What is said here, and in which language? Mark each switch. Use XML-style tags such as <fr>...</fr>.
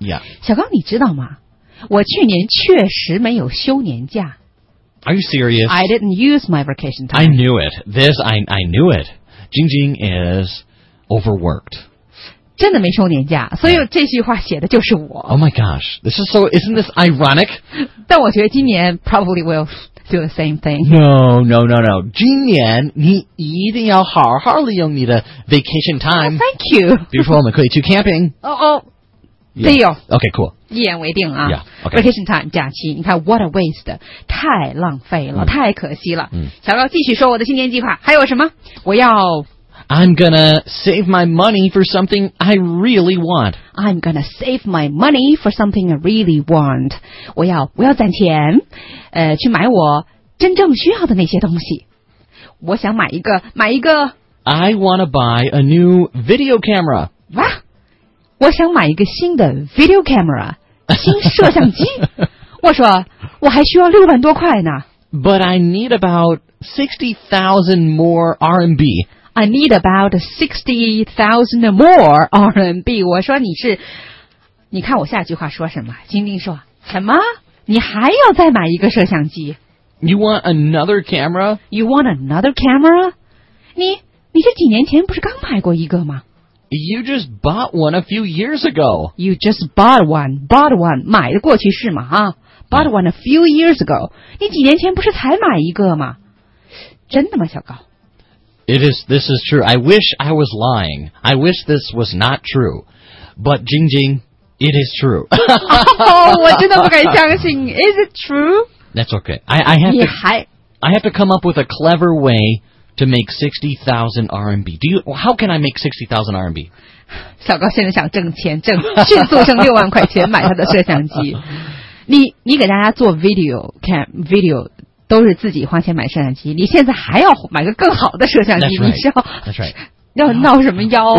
<en>Yeah.</en> <zh>小刚，你知道吗？我去年确实没有休年假。</zh> <en>Are you serious? I didn't use my vacation time. I knew it. This, I knew it. Jing Jing is overworked.</en> <zh>真的没休年假，所以这句话写的就是我。</zh> <en>Oh my gosh, this is so, isn't this ironic?</en> <zh>但我觉得今年</zh> <en>probably will do the same thing. No, no, no, no.</en> <zh>今年你一定要好好利用你的 vacation time.</zh> <en>Oh, thank you.</en> <zh>比如说我们可以去 camping.</zh> <en>Oh. Yeah.</en> <zh>对哟</zh> <en>，OK， cool，</en> <zh>一言为定啊。</zh> <en>Yeah, okay.</en> <zh>Vacation time， 假期，你看 ，</zh> <en>what a waste，</en> <zh>太浪费了， mm. 太可惜了。 Mm. 小高继续说我的新年计划，还有什么？我要</zh> <en>，I'm gonna save my money for something I really want. I'm gonna save my money for something I really want.</en> <zh>我要攒钱，去买我真正需要的那些东西。我想买一个。</zh> <en>I wanna buy a new video camera.</en> <zh>哇。我想买一个新的 video camera， 新摄像机。我说我还需要60,000多块呢。</zh> <en>But I need about 60,000 more RMB. I need about 60,000 more RMB.</en> <zh>我说你看我下句话说什么？晶晶说什么？你还要再买一个摄像机</zh> <en>？You want another camera? You want another camera?</en> <zh>你这几年前不是刚买过一个吗？</zh> <en>You just bought one a few years ago. You just bought one.</en> <zh>买的过去式嘛、</zh> <en>啊、Bought one a few years ago.</en> <zh>你几年前不是才买一个吗？真的吗，小高？</zh> <en>This is true. I wish I was lying. I wish this was not true. But Jing Jing, it is true.</en> <zh>我真的不敢相信。</zh> <en>Is it true? That's okay. I have to come up with a clever way. To make 60,000 RMB. How can I make 60,000 RMB?</en> <zh>小高现在想挣钱，迅速挣60,000块钱买他的摄像机。你给大家做 video 都是自己花钱买摄像机，你现在还要买个更好的摄像机，</zh> <en>right,</en> <zh>你是要</zh> <en>That's right.</en> <zh>要闹什么腰啊？</zh>